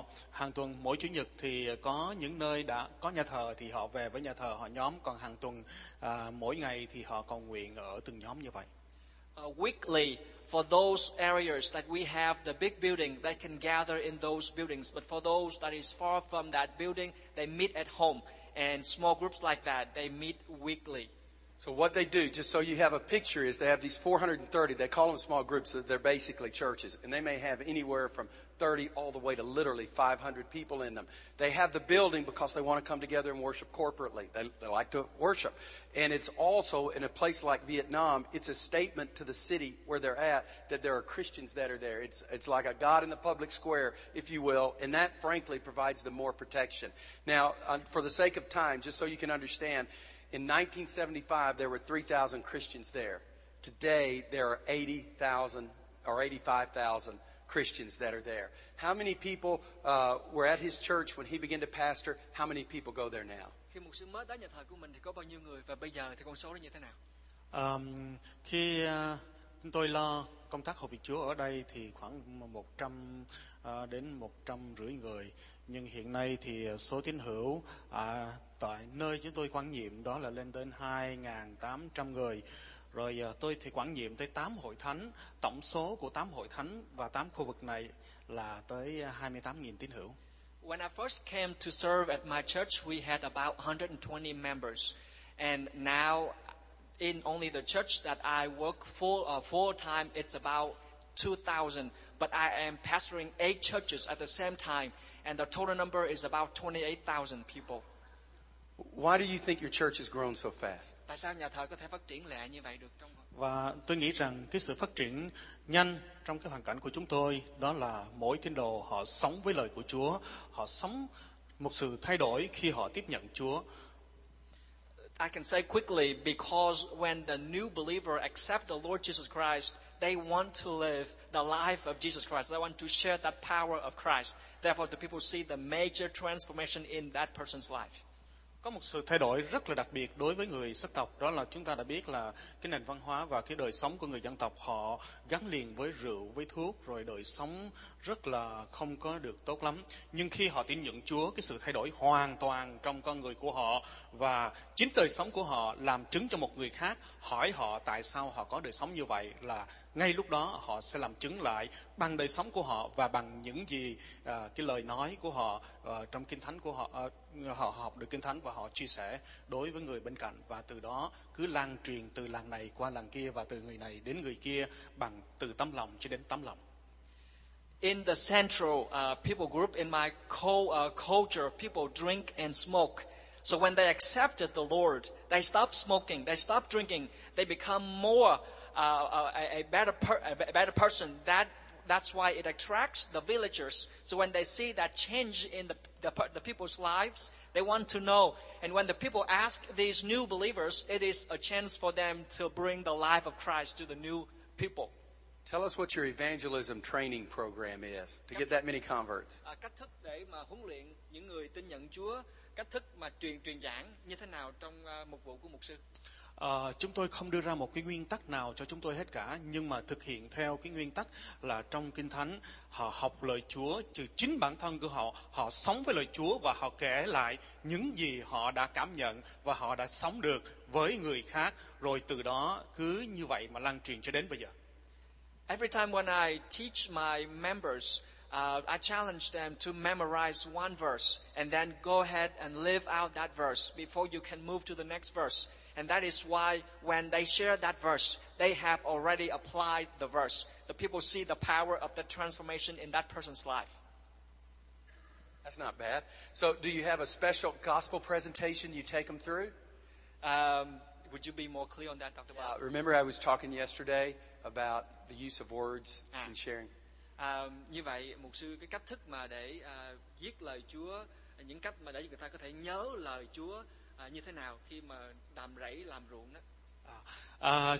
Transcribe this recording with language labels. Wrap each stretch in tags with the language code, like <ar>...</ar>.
<vi>Hàng tuần mỗi chủ nhật thì có những nơi đã có nhà thờ thì họ về với nhà thờ họ nhóm. Còn hàng tuần mỗi ngày thì họ cầu nguyện ở từng nhóm như vậy.</vi> <en>Weekly, for those areas that we have the big building, they can gather in those buildings. But for those that is far from that building, they meet at home. And small groups like that, they meet weekly. So what they do, just so you have a picture, is they have these 430. They call them small groups. So they're basically churches. And they may have anywhere from 30 all the way to literally 500 people in them. They have the building because they want to come together and worship corporately. They like to worship. And it's also, in a place like Vietnam, it's a statement to the city where they're at that there are Christians that are there. It's like a God in the public square, if you will. And that, frankly, provides them more protection. Now, for the sake of time, just so you can understand, in 1975, there were 3,000 Christians there. Today, there are 80,000 or 85,000 Christians that are there. How many people were at his church when he began to pastor? How many people go there now?</en> <vi>Khi mục sư mới đến nhà thờ của mình thì có bao nhiêu người và bây giờ thì con số nó như thế nào? Khi tôi lo công tác hội việc Chúa ở đây thì khoảng 100 đến 150 người. Nhưng hiện nay thì số tín hữu tại nơi chúng tôi quản nhiệm đó là lên đến 2.800 người. Rồi tôi thì quản nhiệm tới 8 hội thánh. Tổng số của 8 hội thánh và 8 khu vực này là tới 28.000 tín hữu.</vi> <en>When I first came to serve at my church, we had about 120 members. And now in only the church that I work full time, it's about 2,000. But I am pastoring 8 churches at the same time. And the total number is about 28,000 people. Why do you think your church has grown so fast?</en> <vi>Tại sao nhà thờ có thể phát triển lẹ như vậy được trong? Và tôi nghĩ rằng cái sự phát triển nhanh trong cái hoàn cảnh của chúng tôi đó là mỗi tín đồ họ sống với lời của Chúa, họ sống một sự thay đổi khi họ tiếp nhận Chúa.</vi> <en>I can say quickly because when the new believer accept the Lord Jesus Christ, they want to live the life of Jesus Christ. They want to share that power of Christ. Therefore, the people see the major transformation in that person's life.</en> <vi>Có một sự thay đổi rất là đặc biệt đối với người sắc tộc, đó là chúng ta đã biết là cái nền văn hóa và cái đời sống của người dân tộc họ gắn liền với rượu, với thuốc, rồi đời sống rất là không có được tốt lắm. Nhưng khi họ tin nhận Chúa, cái sự thay đổi hoàn toàn trong con người của họ và chính đời sống của họ làm chứng cho một người khác hỏi họ tại sao họ có đời sống như vậy, là ngay lúc đó họ sẽ làm chứng lại bằng đời sống của họ và bằng những gì cái lời nói của họ trong Kinh Thánh của họ, họ học được Kinh Thánh và họ chia sẻ đối với người bên cạnh, và từ đó cứ lan truyền từ làng này qua làng kia và từ người này đến người kia bằng từ tấm lòng cho đến tấm lòng.</vi> <en>In the central people group in my culture, people drink and smoke. So when they accepted the Lord, they stopped smoking, they stopped drinking, they become more a better person. That's why it attracts the villagers. So when they see that change in the people's lives, they want to know. And when the people ask these new believers, it is a chance for them to bring the life of Christ to the new people. Tell us what your evangelism training program is to get that many converts.</en> <vi>Cách thức để mà huấn luyện những người tin nhận Chúa, cách thức mà truyền giảng như thế nào trong mục vụ của mục sư? Chúng tôi không đưa ra một cái nguyên tắc nào cho chúng tôi hết cả, nhưng mà thực hiện theo cái nguyên tắc là trong Kinh Thánh họ học lời Chúa, trừ chính bản thân của họ, họ sống với lời Chúa và họ kể lại những gì họ đã cảm nhận và họ đã sống được với người khác, rồi từ đó cứ như vậy mà lan truyền cho đến bây giờ.</vi> <en>Every time when I teach my members, I challenge them to memorize one verse and then go ahead and live out that verse before you can move to the next verse. And that is why when they share that verse, they have already applied the verse. The people see the power of the transformation in that person's life. That's not bad. So do you have a special gospel presentation you take them through? Would you be more clear on that, Dr. Bob? Remember I was talking yesterday about the use of words and sharing?</en> <vi>Như vậy, mục sư, cái cách thức mà để viết lời Chúa, những cách mà để người ta có thể nhớ lời Chúa, như thế nào khi mà đàm rẫy làm ruộng đó?</vi>